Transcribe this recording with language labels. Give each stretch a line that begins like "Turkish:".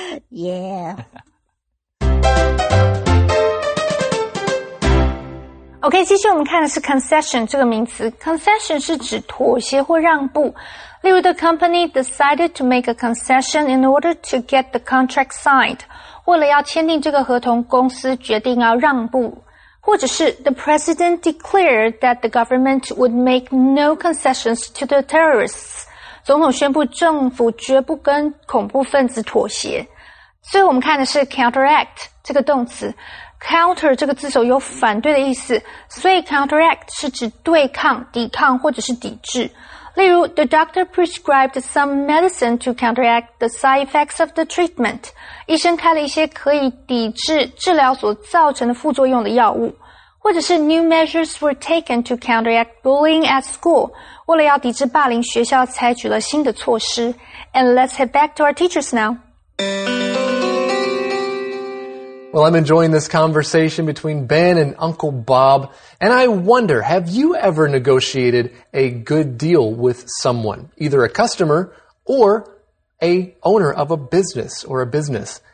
Chinese: Yeah. OK, 继续我们看的是 concession 这个名词。Concession 是指妥协或让步。例如
English: the company decided to make a concession in order to get the contract signed.
Chinese: 为了要签订这个合同，公司决定要让步。或者是
English: the president declared that the government would make no concessions to the terrorists.
Chinese: 总统宣布政府绝不跟恐怖分子妥协。所以我们看的是 counteract 这个动词。Counter 这个字首有反对的意思，所以 counteract 是指对抗、抵抗或者是抵制。例如
English: ,the doctor prescribed some medicine to counteract the side effects of the treatment.
Chinese: 医生开了一些可以抵制治疗所造成的副作用的药物。或者是
English: new measures were taken to counteract bullying at school.
Chinese: 为了要抵制霸凌，学校采取了新的措施。
English: And let's head back to our teachers now. Well, I'm enjoying this conversation between Ben and Uncle Bob, and I wonder, have you ever negotiated a good deal with someone, either a customer or a owner of a business or a business?